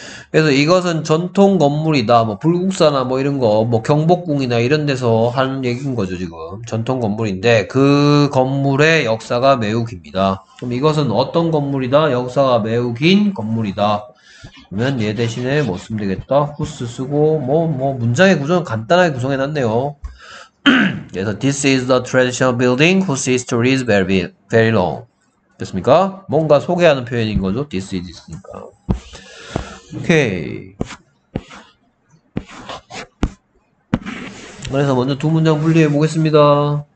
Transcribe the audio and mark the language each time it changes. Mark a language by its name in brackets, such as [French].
[Korean] 그래서 이것은 전통 건물이다. 뭐 불국사나 뭐 이런 거, 뭐 경복궁이나 이런 데서 하는 얘기인 거죠, 지금. 전통 건물인데 그 건물의 역사가 매우 깁니다. 그럼 이것은 어떤 건물이다? 역사가 매우 긴 건물이다. 그러면 얘 대신에 뭐 쓰면 되겠다. 후스 쓰고 뭐 문장의 구조는 간단하게 구성해 놨네요. 그래서 [English] this is the traditional building whose history is very very long. [Korean] 됐습니까? 뭔가 소개하는 표현인 거죠. [English] This is [Korean] 있으니까. 오케이. 그래서 먼저 두 문장 분리해 보겠습니다.